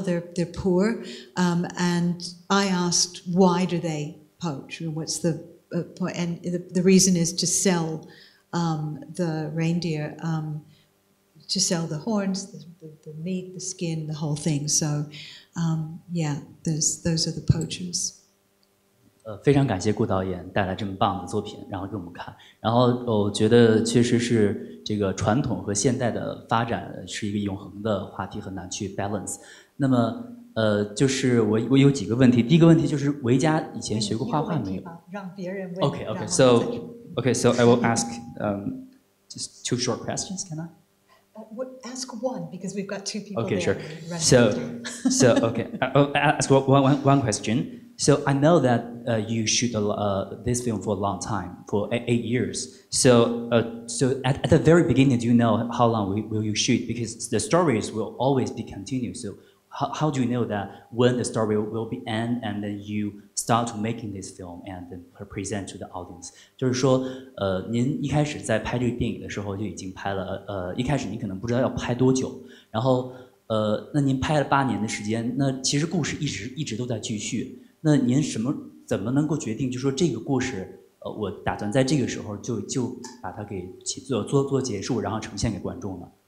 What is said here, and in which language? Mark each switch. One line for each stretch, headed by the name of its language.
English: They're poor. And I asked, why do they poach? What's the point? And the reason is to sell the reindeer to sell the horns, the meat, the skin, the whole thing. So, yeah, those are the poachers.
Chinese: 非常感谢顾导演带来这么棒的作品，然后给我们看。然后我觉得确实是这个传统和现代的发展是一个永恒的话题，很难去 balance。那么，就是我有几个问题。第一个问题就是维嘉以前学过画画没有？让别人问。
English: Okay, so I will ask just two short questions. Can I? Ask one because we've got two people. Okay, sure. So, I'll ask one question. So I know that you shoot this film for a long time, for eight years. So at the very beginning, do you know how long will you shoot? Because the stories will always be continued. So how do you know that when the story will be end and then you start making this film and then present to the audience?
Chinese: 就是说您一开始在拍这个电影的时候就已经拍了一开始您可能不知道要拍多久，然后那您拍了八年的时间，那其实故事一直都在继续。那您怎么能够决定，就说这个故事，我打算在这个时候就把它给做结束，然后呈现给观众呢？